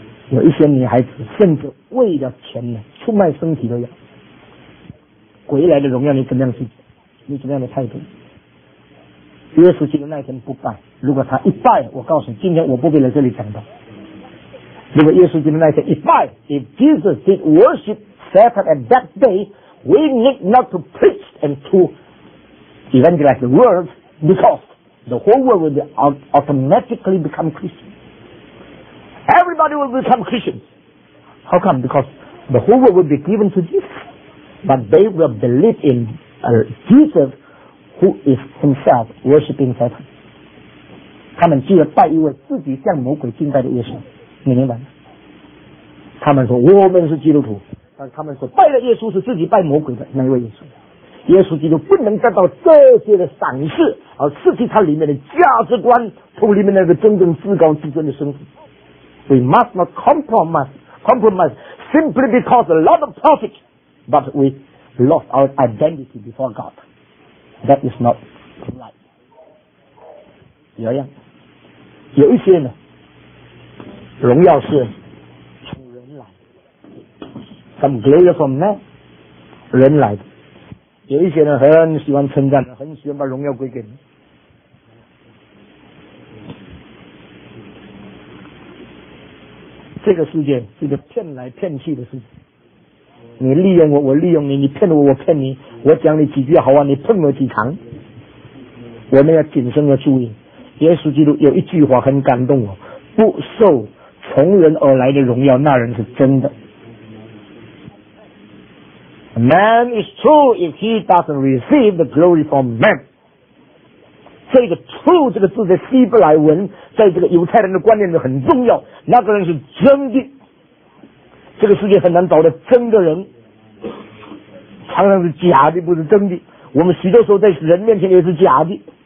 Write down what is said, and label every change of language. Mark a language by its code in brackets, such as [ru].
[zh] 有一些女孩子甚至为了钱呢，出卖身体都要。鬼来的荣耀你怎么样去？你怎么样的态度？耶稣基督那天不拜，如果他一拜，我告诉你，今天我不必来这里讲的。如果耶稣基督那天一拜 ， [en] If Jesus did worship Satan at that day。 We need not to preach and to evangelize the world because the whole world will be automatically become Christian. Everybody will become Christian. How come? Because the whole world will be given to Jesus. But they will believe in Jesus who is himself worshipping Satan. [zh] 他们既然拜一位自己向魔鬼敬拜的耶稣，你明白吗？他们说我们是基督徒，他们说拜了耶稣是自己拜魔鬼的那一位耶稣。耶稣基督不能得到这些的赏识，而失去他里面的价值观，脱离里面那个真正至高至尊的身份。 [en] We must not compromise simply because a lot of profit, but we lost our identity before God. That is not right. [zh] 有一些呢，荣耀是 [en] Some glory from man， [zh] 人来的。有一些人很喜欢称赞，很喜欢把荣耀归给你。这个世界是一个骗来骗去的世界，你利用我，我利用你，你骗我，我骗你，我讲你几句好话，你碰我几场。我们要谨慎的注意，耶稣基督有一句话很感动我，不受从人而来的荣耀，那人是真的。 [en] Man is true if he doesn't receive the glory from man。 [zh] 这个 true 这个字在希伯来文，在这个犹太人的观念里很重要，那个人是真的。这个世界很难找的真的人，常常是假的，不是真的。我们许多时候在人面前也是假的。